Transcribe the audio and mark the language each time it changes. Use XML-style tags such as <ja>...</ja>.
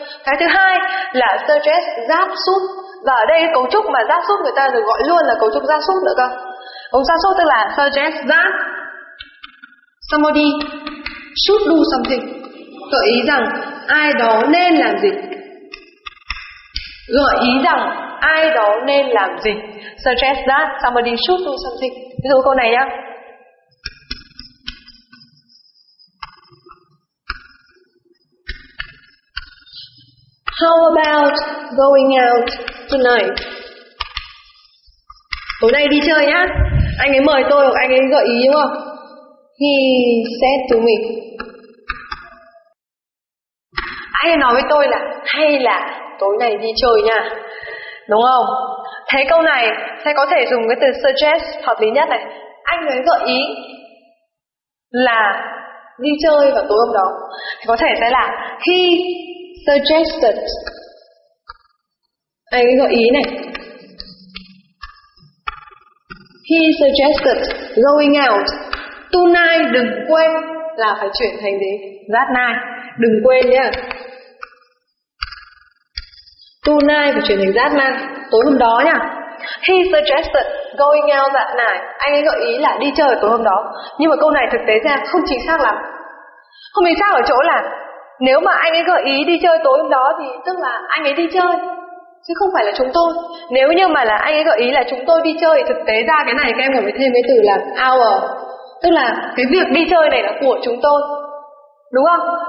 <vi>Cái thứ hai là suggest giáp sút, và ở đây cái cấu trúc mà giáp sút người ta được gọi luôn là cấu trúc giáp sút nữa cơ. Cấu giáp sút tức là</vi> <en>suggest that somebody should do something,</en> <vi>gợi ý rằng ai đó nên làm gì, gợi ý rằng ai đó nên làm gì.</vi> <en>Suggest that somebody should do something.</en> <vi>Ví dụ câu này nhá.</vi> <en>How about going out tonight?</en> <vi>Tối nay đi chơi nhá. Anh ấy mời tôi hoặc anh ấy gợi ý đúng không?</vi> <en>He said to me.</en> <vi>Anh ấy nói với tôi là hay là tối nay đi chơi nha, đúng không? Thế câu này sẽ có thể dùng cái từ suggest hợp lý nhất này. Anh ấy gợi ý là đi chơi vào tối hôm đó, thì có thể sẽ là</vi> <en>he suggested.</en> <vi>Anh ấy gợi ý này,</vi> <en>he suggested going out tonight.</en> <vi>Đừng quên là phải chuyển thành gì,</vi> <en>that night,</en> <vi>đừng quên nhá. Tonight phải chuyển thành</vi> <en>that night,</en> <vi>tối hôm đó nhá.</vi> <en>He suggested going out that night.</en> <vi>Anh ấy gợi ý là đi chơi tối hôm đó. Nhưng mà câu này thực tế ra không chính xác lắm. Không chính xác ở chỗ là nếu mà anh ấy gợi ý đi chơi tối hôm đó thì tức là anh ấy đi chơi chứ không phải là chúng tôi. Nếu như mà là anh ấy gợi ý là chúng tôi đi chơi thì thực tế ra cái này các em phải thêm cái từ là our, tức là cái việc đi chơi này là của chúng tôi, đúng không?</vi>